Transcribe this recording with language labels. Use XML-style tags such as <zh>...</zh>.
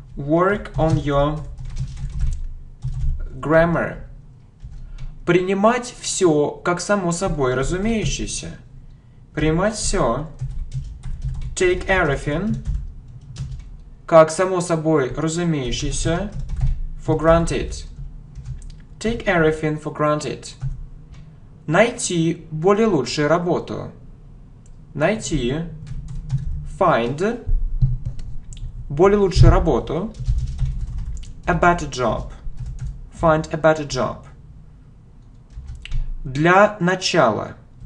<en>Work on your grammar.</en> <ru>Принимать все как само собой разумеющееся. Принимать все.</ru> <en>Take everything</en> <ru>как само собой разумеющееся.</ru> <en>For granted. Take everything for granted.</en> <ru>Найти более лучшую работу. Найти.</ru> <en>Find.</en> <ru>Более лучшую работу.</ru> <en>A better job. Find a better job.</en> <ru>Для начала.</ru>